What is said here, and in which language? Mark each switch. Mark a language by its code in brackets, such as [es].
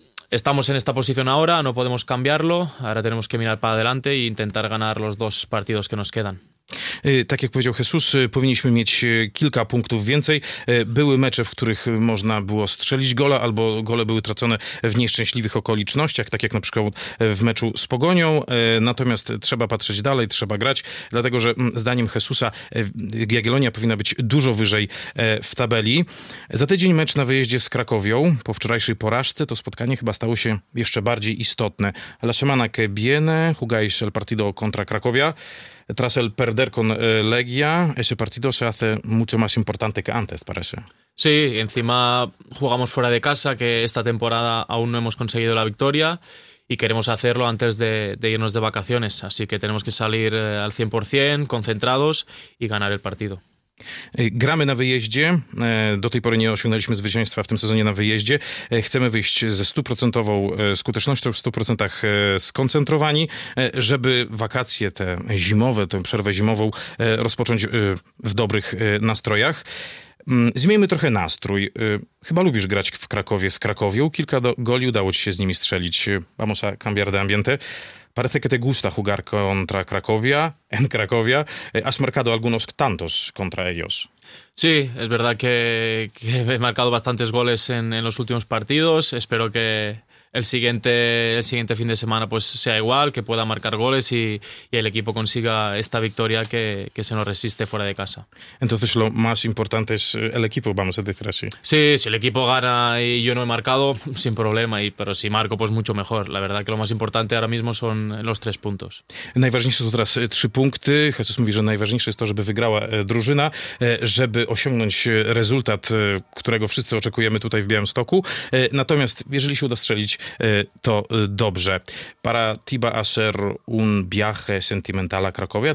[es] Estamos en esta posición ahora, no podemos cambiarlo. Ahora tenemos que mirar para adelante e intentar ganar los dos partidos que nos quedan. [pl] Tak jak powiedział Jesús, powinniśmy mieć kilka punktów więcej. Były mecze, w których można było strzelić gole, albo gole były tracone w nieszczęśliwych okolicznościach, tak jak na przykład w meczu z Pogonią. Natomiast trzeba patrzeć dalej, trzeba grać, dlatego że zdaniem Jesusa Jagiellonia powinna być dużo wyżej w tabeli. Za tydzień mecz na wyjeździe z Cracovią. Po wczorajszej porażce to spotkanie chyba stało się jeszcze bardziej istotne. [es] La semana que viene jugáis el partido contra Cracovia. Tras el perder con Legia, ese partido se hace mucho más importante que antes, parece. Sí, encima jugamos fuera de casa, que esta temporada aún no hemos conseguido la victoria y queremos hacerlo antes de irnos de vacaciones. Así que tenemos que salir al 100%, concentrados y ganar el partido. [pl] Gramy na wyjeździe. Do tej pory nie osiągnęliśmy zwycięstwa w tym sezonie na wyjeździe. Chcemy wyjść ze 100% skutecznością, w 100% skoncentrowani, żeby wakacje te zimowe, tę przerwę zimową rozpocząć w dobrych nastrojach. Zmieńmy trochę nastrój. Chyba lubisz grać w Cracovie z Cracovią. Kilka goli udało ci się z nimi strzelić. [es] Vamos a cambiar de ambiente. parece que te gusta jugar contra Cracovia, en Cracovia. ¿Has marcado algunos tantos contra ellos? Sí, es verdad que he marcado bastantes goles en los últimos partidos. Espero que el siguiente fin de semana pues sea igual, que pueda marcar goles y el equipo consiga esta victoria que se nos resiste fuera de casa. Entonces lo más importante es el equipo, vamos a decir así. Sí, si el equipo gana y yo no he marcado, sin problema, pero si marco, pues mucho mejor. La verdad que lo más importante ahora mismo son los tres puntos. [pl] Najważniejsze to teraz trzy punkty. Jesús mówi, że najważniejsze jest to, żeby wygrała drużyna, żeby osiągnąć rezultat, którego wszyscy oczekujemy tutaj w Białymstoku. Natomiast jeżeli się uda strzelić, to dobrze. [es] Para ti va a ser un viaje sentimental a Cracovia.